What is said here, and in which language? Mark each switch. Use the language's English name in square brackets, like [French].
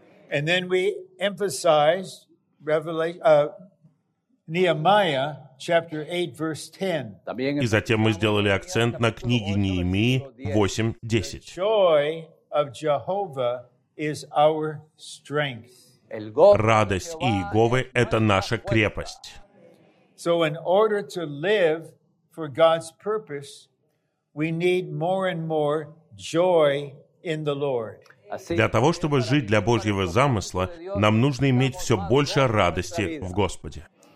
[English] And then we emphasize Nehemiah chapter 8 verse 10. [Russian] И затем мы сделали акцент на книге Неемии 8:10. [English] The joy of Jehovah is our strength. [Russian] Радость Иеговы — это наша крепость. [English] So in order to live for God's purpose, we need more and more joy in the Lord. [Russian] Для того, чтобы жить для Божьего замысла, нам нужно иметь все больше радости в Господе.